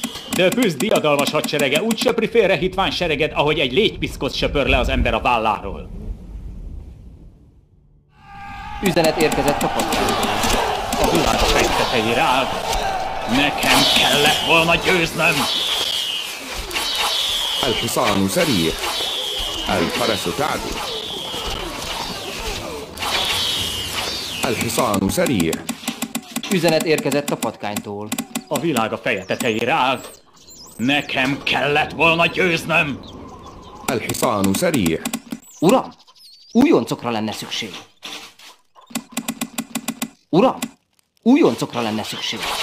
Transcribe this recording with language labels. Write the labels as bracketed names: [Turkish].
[Hungarian] Döpüsz diadalmas hadserege úgy söpri félre hitván sereged, ahogy egy légypiszkot söpör le az ember a válláról. Üzenet érkezett a patkánytól. A világ fektetejére áll. Nekem kellett volna győznöm. [Arabic] الحصان سريع الفرس تعدو الحصان سريع [Hungarian] üzenet érkezett a patkánytól. A világ a feje tetejére áll. Nekem kellett volna győznöm. [Arabic] الحصان سريع [Hungarian] uram, újoncokra lenne szükség. Uram, újoncokra lenne szükség.